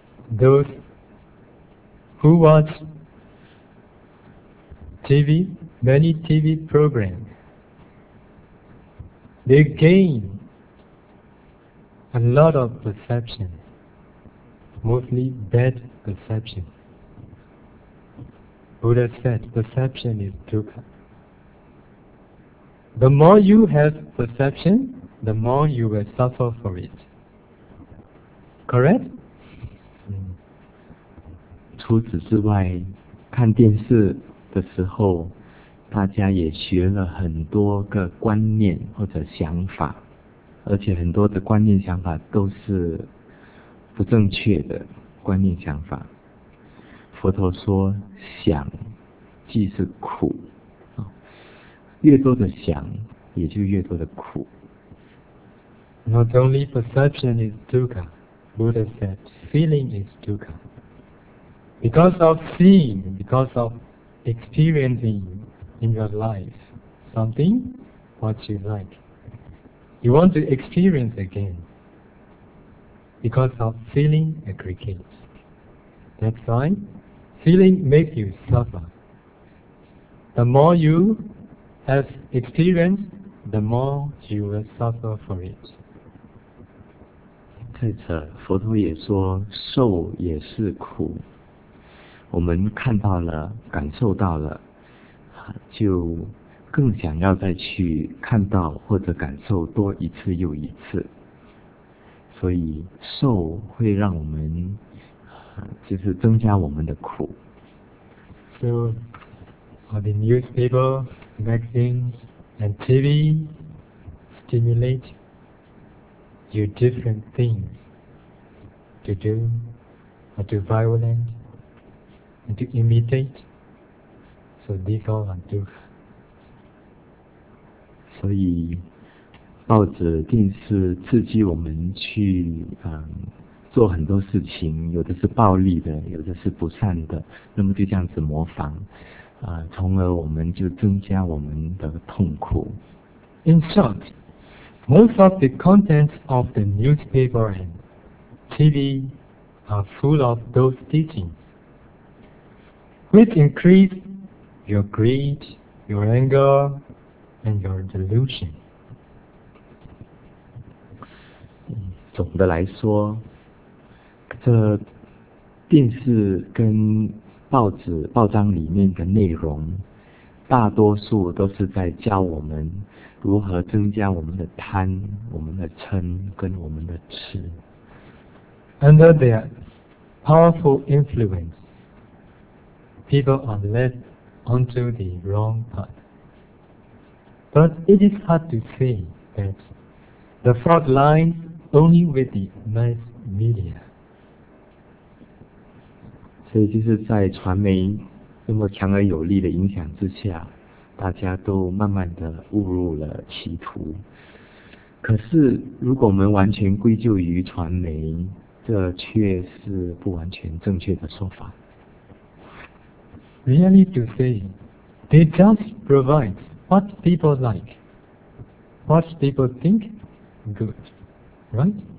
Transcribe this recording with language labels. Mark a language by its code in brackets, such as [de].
[en] Those who watchTV, many TV programs, they gain a lot of perception, mostly bad perception. Buddha said, perception is dukkha. The more you have perception, the more you will suffer for it. Correct? [zh] 除此之外，看电视的时候，大家也学了很多个观念或者想法，而且很多的观念想法都是不正确的观念想法。佛陀说，想即是苦，越多的想，也就越多的苦。 [en] Not only perception is dukkha, Buddha said, feeling is dukkha. Because of seeing, because of experiencing in your life something what you like. You want to experience again because of feeling aggregates. That's why feeling makes you suffer. The more you have experienced, the more you will suffer for it. [zh] 再者，佛陀也说，受也是苦。我们看到了，感受到了，就更想要再去看到或者感受多一次又一次。所以，受会让我们，就是增加我们的苦。 [en] So, the newspaper, magazines, and TV stimulate you different things to do, or to violent, and to imitate. So these all are dukkha. [zh] 所以，报纸、电视刺激我们去做很多事情，有的是暴力的，有的是不善的，那么就这样子模仿，从而我们就增加我们的痛苦。 [en] In short, most of the contents of the newspaper and TV are full of those teachings, which increase your greed, your anger. And your delusion. [zh] 总的来说，这电视跟报纸、报章里面的内容，大多数都是在教我们如何增加我们的贪、我们的嗔跟我们的痴。 [en] Under their powerful influence, people are led onto the wrong path. But it is hard to say that the fault lies only with the mass media. [zh] 所以就是在传媒那么强而有力的影响之下，大家都慢慢的误入了歧途。可是如果我们完全归咎于传媒，这却是不完全正确的说法。 [en] Really to say, they just provide. What people like, what people think, good, right?